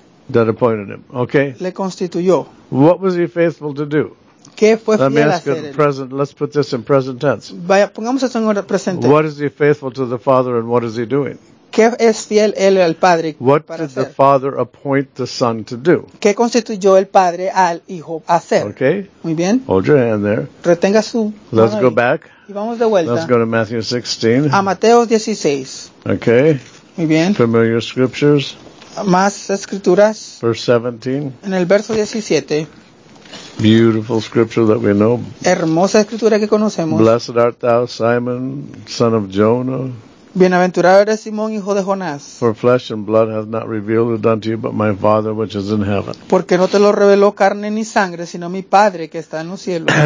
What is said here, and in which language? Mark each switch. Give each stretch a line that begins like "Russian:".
English: That appointed him. Okay.
Spanish: Le constituyó.
English: What was he faithful to do?
Spanish: ¿Qué fue fiel a hacer?
English: Let me ask it in present. Let's put this in present tense.
Spanish: Vaya, pongamos esto en presente.
English: What is he faithful to the Father and what is he doing?
Spanish: ¿Qué es fiel él al Padre para hacer?
English: What did the Father appoint the Son to do?
Spanish: ¿Qué constituyó el Padre al Hijo a hacer?
English: Okay.
Spanish: Muy bien.
English: Hold your hand there.
Spanish: Retenga su
English: Let's go back.
Spanish: Y vamos de vuelta.
English: Let's go to Matthew 16.
Spanish: A Mateo 16.
English: Okay.
Spanish: Muy bien.
English: Familiar scriptures.
Spanish: Más escrituras.
English: Verse 17.
Spanish: En el verso 17.
English: Beautiful scripture that we know.
Spanish: Hermosa escritura que conocemos.
English: Blessed art thou, Simon, son of Jonah.
Spanish: Bienaventurado eres Simón, hijo de Jonás.
English: For flesh and blood hath not revealed it unto you, but my Father which is in heaven.
Spanish: Porque no te lo reveló carne ni sangre, sino mi Padre que está en los cielos.